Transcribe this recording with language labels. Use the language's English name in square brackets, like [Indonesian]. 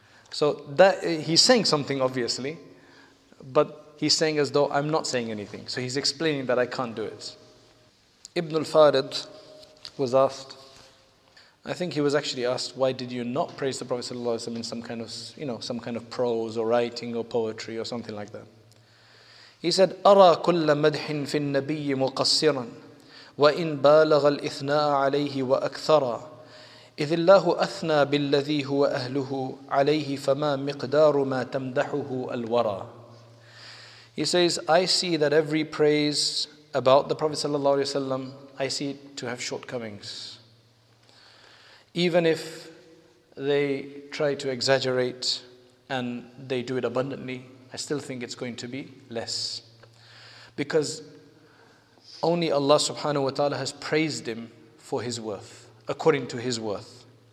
[English] So that he's saying something, obviously, but he's saying as though I'm not saying anything. So he's explaining that I can't do it. Ibn al-Farid was asked, I think he was actually asked, why did you not praise the Prophet sallallahu alaihi wasallam in some kind of prose or writing or poetry or something like that? He said, [Arabic] أَرَى كُلَّ مَدْحٍ فِي النَّبِيِّ مُقَصِّرًا وَإِنْ بَالَغَ الْإِثْنَاءَ عَلَيْهِ وَأَكْثَرًا إذ الله أثنى بالذي هو أهله عليه فما مقدار ما تمدحه الورى. [English] He says, I see that every praise about the Prophet sallallahu alaihi wasallam, I see it to have shortcomings. Even if they try to exaggerate and they do it abundantly, I still think it's going to be less, because only Allah subhanahu wa ta'ala has praised him for his worth, according to his worth.